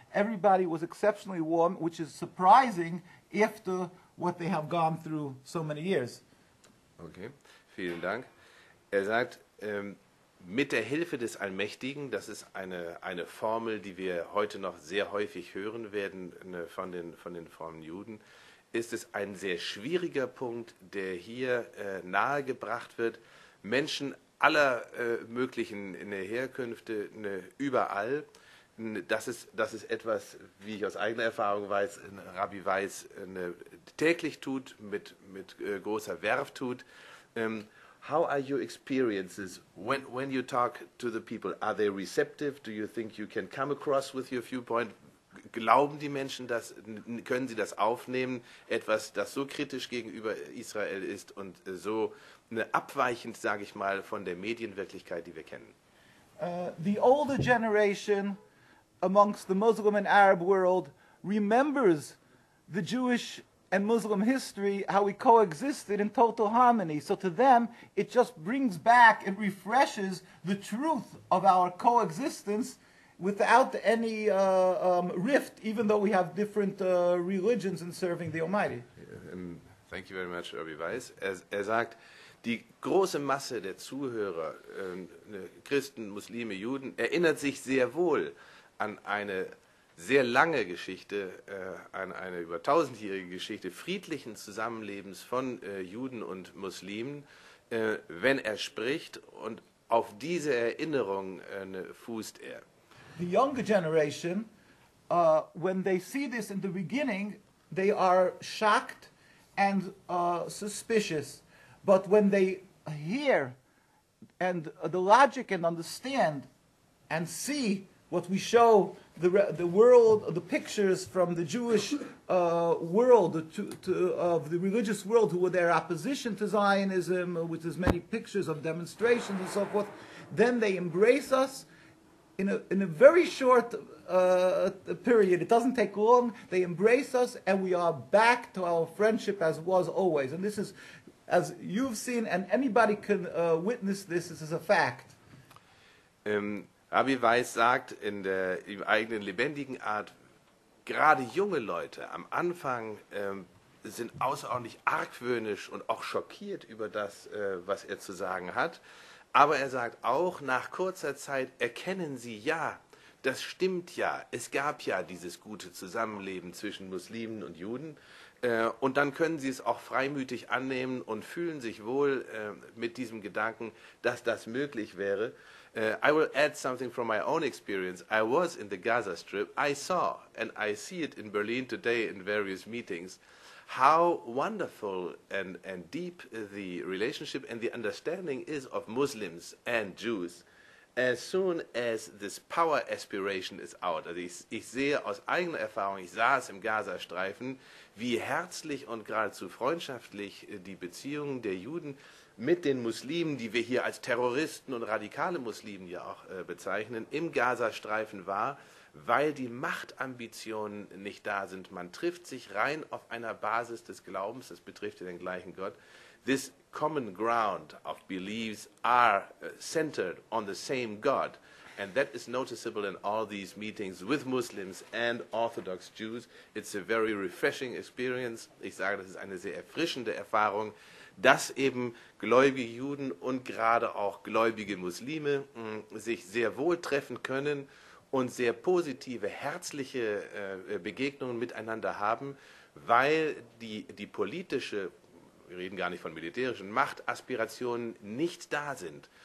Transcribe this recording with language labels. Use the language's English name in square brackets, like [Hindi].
[English] Everybody was exceptionally warm, which is surprising after what they have gone through so many years. [German] Okay, vielen Dank. Sagt, mit der Hilfe des Allmächtigen, das ist eine Formel, die wir heute noch sehr häufig hören werden von den frommen Juden, ist es ein sehr schwieriger Punkt, der hier nahegebracht wird, Menschen aller möglichen Herkünfte überall. Das ist etwas, wie ich aus eigener Erfahrung weiß, Rabbi Weiss täglich tut, mit großer Werf tut. [English] How are your experiences when you talk to the people? Are they receptive? Do you think you can come across with your viewpoint? [German] Glauben die Menschen das? Können sie das aufnehmen? Etwas, das so kritisch gegenüber Israel ist und so abweichend, sage ich mal, von der Medienwirklichkeit, die wir kennen? [English] The older generation amongst the Muslim and Arab world remembers the Jewish and Muslim history, how we coexisted in total harmony. So to them, it just brings back and refreshes the truth of our coexistence without any rift, even though we have different religions in serving the Almighty. Thank you very much, Rabbi Weiss. [German] Sagt, die große Masse der Zuhörer, Christen, Muslime, Juden, erinnert sich sehr wohl an eine sehr lange Geschichte, an eine über tausendjährige Geschichte friedlichen Zusammenlebens von Juden und Muslimen, wenn er spricht, und auf diese Erinnerung fußt er. [English] The younger generation, when they see this in the beginning, they are shocked and suspicious. But when they hear and the logic and understand and see what we show the world, the pictures from the Jewish world, of the religious world, who were their opposition to Zionism, with as many pictures of demonstrations and so forth, then they embrace us in a very short period. It doesn't take long. They embrace us, and we are back to our friendship as was always. And this is, as you've seen, and anybody can witness this, this is a fact. [German] Rabbi Weiss sagt in der im eigenen lebendigen Art, gerade junge Leute am Anfang sind außerordentlich argwöhnisch und auch schockiert über das, was er zu sagen hat. Aber er sagt auch, nach kurzer Zeit erkennen sie, ja, das stimmt ja, es gab ja dieses gute Zusammenleben zwischen Muslimen und Juden. Und dann können sie es auch freimütig annehmen und fühlen sich wohl mit diesem Gedanken, dass das möglich wäre. [English] I will add something from my own experience. I was in the Gaza Strip. I saw, and I see it in Berlin today in various meetings, how wonderful and deep the relationship and the understanding is of Muslims and Jews as soon as this power aspiration is out. [German] Also ich sehe aus eigener Erfahrung, ich saß im Gazastreifen, wie herzlich und geradezu freundschaftlich die Beziehungen der Juden mit den Muslimen, die wir hier als Terroristen und radikale Muslimen ja auch bezeichnen, im Gazastreifen war, weil die Machtambitionen nicht da sind. Man trifft sich rein auf einer Basis des Glaubens, das betrifft ja den gleichen Gott. [English] This common ground of beliefs are centered on the same God. And that is noticeable in all these meetings with Muslims and Orthodox Jews. It's a very refreshing experience. [German] Ich sage, das ist eine sehr erfrischende Erfahrung, dass eben gläubige Juden und gerade auch gläubige Muslime sich sehr wohl treffen können und sehr positive, herzliche Begegnungen miteinander haben, weil die politische, wir reden gar nicht von militärischen, Machtaspirationen nicht da sind.